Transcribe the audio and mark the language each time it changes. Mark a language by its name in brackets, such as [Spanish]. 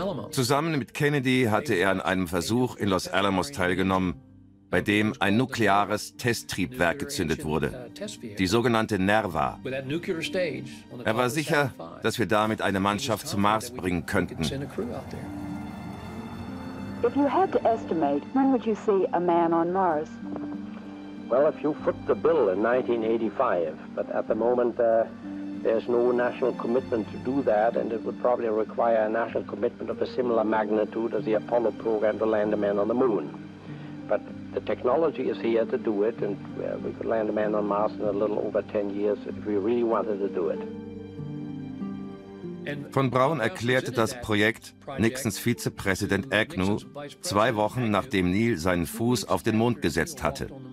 [German] Zusammen mit Kennedy hatte er an einem Versuch in Los Alamos teilgenommen, bei dem ein nukleares Testtriebwerk gezündet wurde, die sogenannte NERVA. Er war sicher, dass wir damit eine Mannschaft zum Mars bringen könnten. [English] If you had to estimate, when would you see a man on Mars? Well, if you foot the bill in 1985, but at the moment there's no national commitment to do that, and it would probably require a national commitment of a similar magnitude as the Apollo program to land a man on the moon. But the technology is here to do it, and we could land a man on Mars in a little over 10 years if we really wanted to do it. [German] Von Braun erklärte das Projekt Nixons Vizepräsident Agnew zwei Wochen, nachdem Neil seinen Fuß auf den Mond gesetzt hatte.